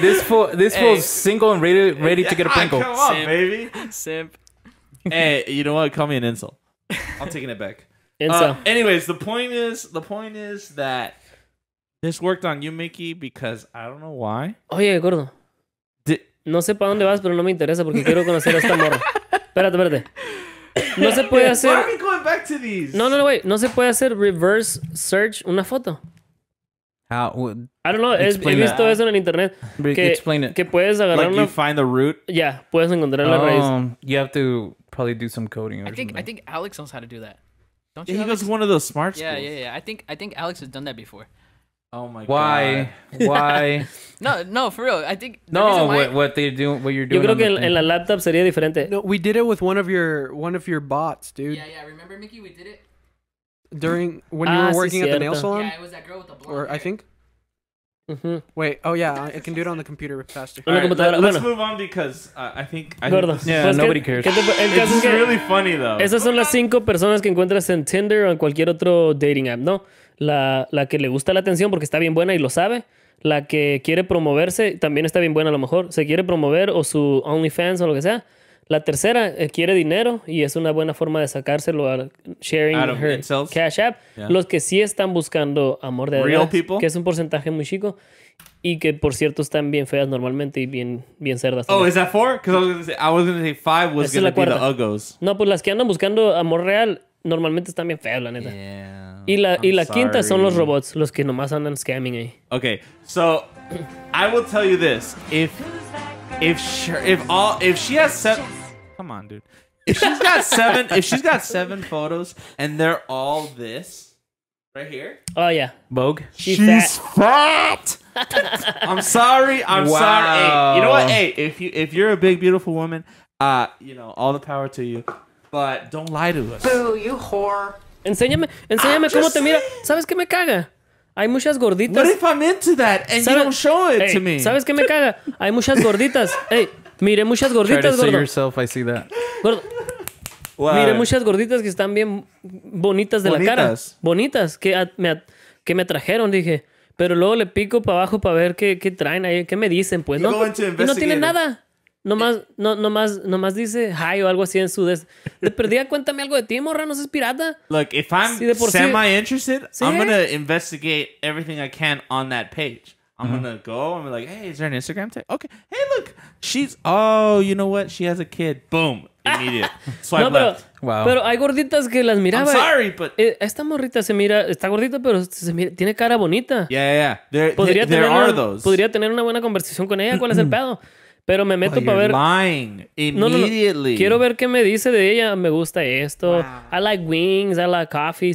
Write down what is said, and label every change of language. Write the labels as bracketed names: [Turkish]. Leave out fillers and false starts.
[English] This fool's single and ready to get a prinkle. Come on, simp, baby. Simp. Hey, you know what? Call me an insult. I'm taking it back. Insult. Anyways, the point is that this worked on you, Mickey, because I don't know why. [Spanish] Oye, Gordo. No sé para dónde vas, pero no me interesa porque quiero conocer a esta morra. Espérate. No se puede hacer... [English] Why are we going back to these? No, wait. [Spanish] No se puede hacer [English] reverse search [Spanish] una foto. [English] How? Would... I don't know. [Spanish] He visto eso en el internet. [English] Explain it. [Spanish] Que puedes agarrar [English] like [Spanish] una... [English] you find the root? Yeah. [Spanish] Puedes encontrar la raíz. [English] You have to probably do some coding or something. I think Alex knows how to do that. Don't you? Yeah, he goes to one of those smart schools. Yeah. I think Alex has done that before. Oh my why? God. Why? No, for real. I think no, what they do what you're doing. [Spanish] Yo creo que en la laptop sería diferente. [English] No, we did it with one of your bots, dude. Yeah, remember Mickey, we did it during when you were working at [Spanish] cierto. [English] The nail salon? Yeah, it was that girl with the blonde or hair. I think. Mm-hmm. Wait, oh yeah, I can do it on the computer faster. All right, let's move on because I think yeah, pues nobody cares. It's really funny though. [Spanish] Esas son las 5 personas que encuentras en Tinder o en cualquier otro dating app, ¿no? La que le gusta la atención porque está bien buena y lo sabe. La que quiere promoverse también está bien buena a lo mejor. Se quiere promover o su OnlyFans o lo que sea. La tercera quiere dinero y es una buena forma de sacárselo al sharing Adam her himself. Cash App. Yeah. Los que sí están buscando amor de verdad, que es un porcentaje muy chico y que, por cierto, están bien feas normalmente y bien, bien cerdas. [English] Oh, ¿es that four? Because I was going to say five was going to be the uggos. [Spanish] No, pues las que andan buscando amor real normalmente están bien feas, la neta. [English] Yeah, [Spanish] y la quinta son los robots, los que nomás andan [English] scamming [Spanish] ahí. [English] Okay, so I will tell you this. If she's got seven photos and they're all this right here. Oh yeah. Vogue. She's fat. I'm sorry. Hey, you know what? Hey, if you're a big beautiful woman, you know, all the power to you. But don't lie to us. Boo, you whore. [Spanish] Enséñame cómo te mira. ¿Sabes qué me caga? Hay muchas gorditas. [English] What if I'm into that and you don't show it to me? [Spanish] ¿Sabes qué me caga? Hay muchas gorditas. Hey, mire muchas gorditas, gordo. [English] Try to see yourself, I see that. [Spanish] Gordo. Wow. Mire muchas gorditas que están bien bonitas de la cara. Bonitas. Que me trajeron, dije. Pero luego le pico para abajo para ver qué traen ahí. ¿Qué me dicen, pues? [English] You're going to investigate. [Spanish] Y no tienen nada. Nomás dice hi o algo así en su des. De perdida, cuéntame algo de ti, morra, no seas pirata. [English] Look, if I'm semi-interested, [Spanish] ¿sí? [English] I'm gonna investigate everything I can on that page. I'm gonna go and be like, hey, is there an Instagram tag? Okay, hey, look, you know what? She has a kid. Boom, immediate. Swipe left. [Spanish] Wow. Pero hay gorditas que las miraba. [English] I'm sorry, but. [Spanish] Esta morrita se mira, está gordita, pero se mira, tiene cara bonita. [English] Yeah. There are those. [Spanish] Podría tener una buena conversación con ella. ¿Cuál es el pedo? Pero me meto para ver. [English] Lying. Immediately. [Spanish] No. Quiero ver qué me dice de ella. Me gusta esto. Wow. [English] I like wings. I like coffee.